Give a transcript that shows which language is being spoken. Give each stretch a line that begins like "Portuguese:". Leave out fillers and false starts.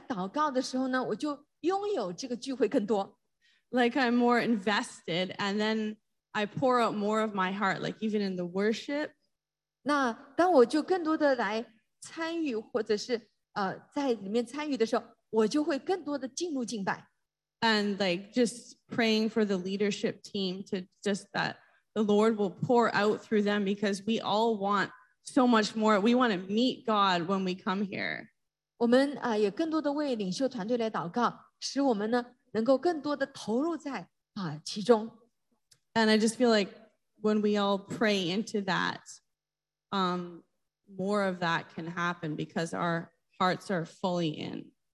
Chinese: 我就感觉每一次我早一点来祷告的时候呢，我就拥有这个聚会更多。
English: Like, I'm more invested, and then I pour out more of my heart, like even in the worship.
Chinese: 那当我就更多的来参与，或者是 在里面参与的时候，我就会更多的进入敬拜。
English: And like just praying for the leadership team to just that the Lord will pour out through them because we all want so much more. We want to meet God when we come here.
Chinese: 我们 也更多的为领袖团队来祷告，使我们呢能够更多的投入在 其中。
English: And I just feel like when we all pray into that, more of that can happen because our hearts are fully in.